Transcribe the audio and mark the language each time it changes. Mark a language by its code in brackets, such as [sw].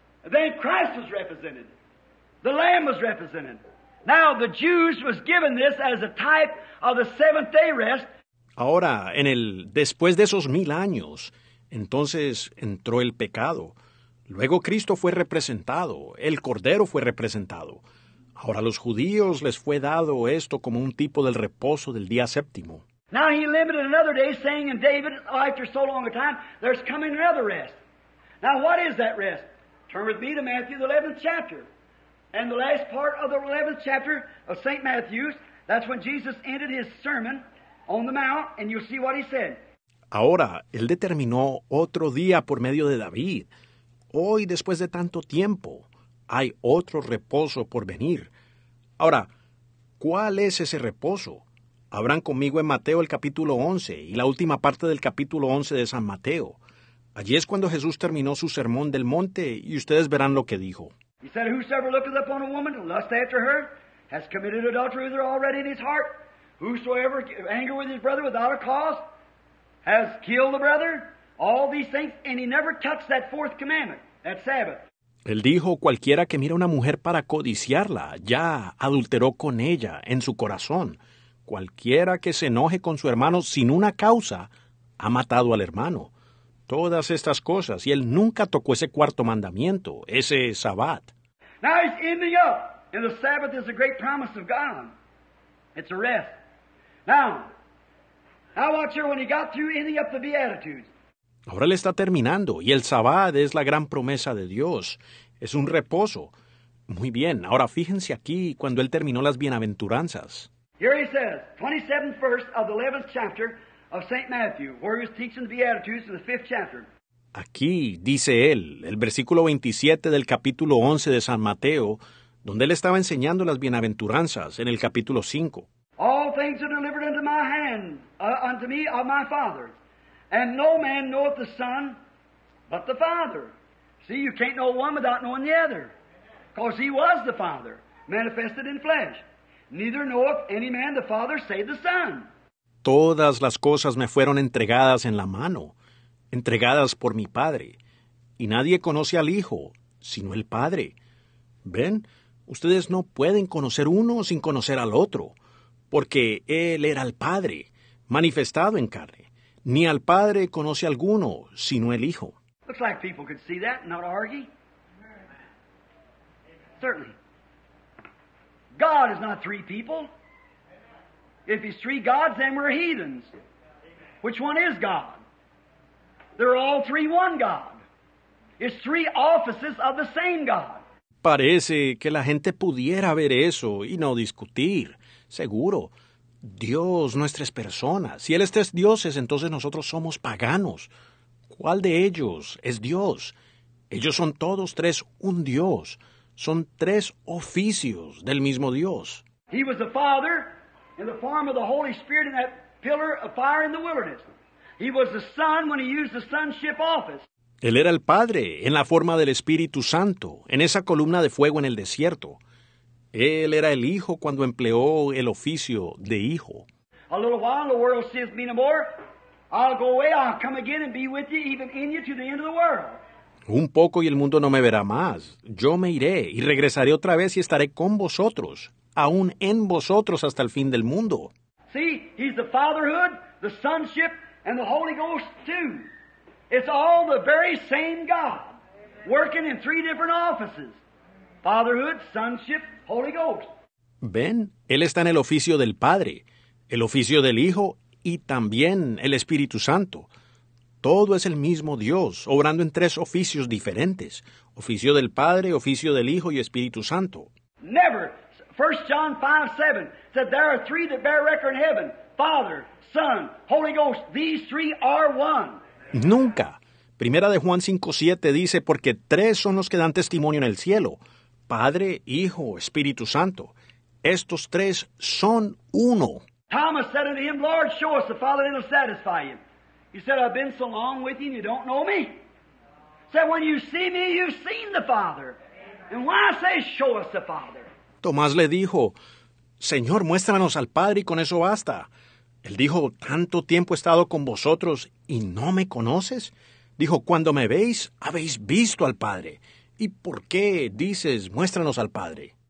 [en] Then Christ was represented. The Lamb was represented. Now the Jews was given this as a type of the seventh day rest. [es] Ahora, en el después de esos 1,000 años, entonces entró el pecado. Luego Cristo fue representado. El Cordero fue representado. Ahora a los judíos les fue dado esto como un tipo del reposo del día séptimo. [en] Now he limited another day, saying in David, after so long a time, there's coming another rest. Now what is that rest? Turn with me to Matthew, the 11th chapter. And the last part of the 11th chapter of St. Matthew's, that's when Jesus ended his sermon on the mount, and you'll see what he said. [es] Ahora, él determinó otro día por medio de David. Hoy, después de tanto tiempo, hay otro reposo por venir. Ahora, ¿cuál es ese reposo? Abran conmigo en Mateo el capítulo 11 y la última parte del capítulo 11 de San Mateo. Allí es cuando Jesús terminó su sermón del monte y ustedes verán lo que dijo. [en] He said, whosoever looketh upon a woman and lust after her has committed adultery with her already in his heart. Whosoever anger with his brother without a cause has killed the brother. All these things, and he never touched that fourth commandment, that Sabbath. [es] Él dijo, cualquiera que mira a una mujer para codiciarla ya adulteró con ella en su corazón. Cualquiera que se enoje con su hermano sin una causa, ha matado al hermano. Todas estas cosas. Y él nunca tocó ese cuarto mandamiento, ese Sabbat. [en] Now he's ending up. And the Sabbath is a great promise of God. It's a rest. Now watch here when he got through ending up the Beatitudes. [es] Ahora él está terminando. Y el Sabbat es la gran promesa de Dios. Es un reposo. Muy bien. Ahora fíjense aquí cuando él terminó las bienaventuranzas. [en] Here he says, 27th verse of the 11th chapter of St. Matthew, where he was teaching the Beatitudes in the 5th chapter. [es] Aquí dice él, el versículo 27 del capítulo 11 de San Mateo, donde él estaba enseñando las bienaventuranzas en el capítulo 5. [en] All things are delivered into my hand, unto me of my Father. And no man knoweth the Son but the Father. See, you can't know one without knowing the other. Because he was the Father, manifested in flesh. Neither knoweth any man the Father, save the Son. [es] Todas las cosas me fueron entregadas en la mano, entregadas por mi Padre. Y nadie conoce al Hijo, sino el Padre. ¿Ven? Ustedes no pueden conocer uno sin conocer al otro, porque Él era el Padre, manifestado en carne. Ni al Padre conoce alguno, sino el Hijo. [en] Looks like people could see that and not argue. Certainly. God is not three people. If he's three gods, then we're heathens. Which one is God? They're all three one God. It's three offices of the same God. [es] Parece que la gente pudiera ver eso y no discutir. Seguro. Dios no es tres personas. Si él es tres dioses, entonces nosotros somos paganos. ¿Cuál de ellos es Dios? Ellos son todos tres un Dios. Son tres oficios del mismo Dios. [en] He was the Father in the form of the Holy Spirit in that pillar of fire in the wilderness. He was the Son when he used the sonship office. [es] Él era el Padre en la forma del Espíritu Santo, en esa columna de fuego en el desierto. Él era el Hijo cuando empleó el oficio de Hijo. [en] A little while the world sees me no more. I'll go away, I'll come again and be with you, even in you to the end of the world. [es] Un poco y el mundo no me verá más. Yo me iré y regresaré otra vez y estaré con vosotros, aún en vosotros hasta el fin del mundo. [en] See, he's the fatherhood, the sonship, and the Holy Ghost too. It's all the very same God, working in three different offices. Fatherhood, sonship, Holy Ghost. [es] Ven, él está en el oficio del Padre, el oficio del Hijo y también el Espíritu Santo. Todo es el mismo Dios, obrando en tres oficios diferentes. Oficio del Padre, oficio del Hijo y Espíritu Santo. [en] Never. 1 John 5:7 said there are three that bear record in heaven. Father, Son, Holy Ghost. These three are one. [es] Nunca. 1 Juan 5:7 dice, porque tres son los que dan testimonio en el cielo. Padre, Hijo, Espíritu Santo. Estos tres son uno. [en] Thomas said unto him, Lord, show us the Father and it'll satisfy you. He said, I've been so long with you and you don't know me. He said, when you see me, you've seen the Father. And why I say, show us the Father. [es] Tomás le dijo, Señor, muéstranos al Padre y con eso basta. Él dijo, tanto tiempo he estado con vosotros y no me conoces. Dijo, cuando me veis, habéis visto al Padre. ¿Y por qué dices, muéstranos al Padre?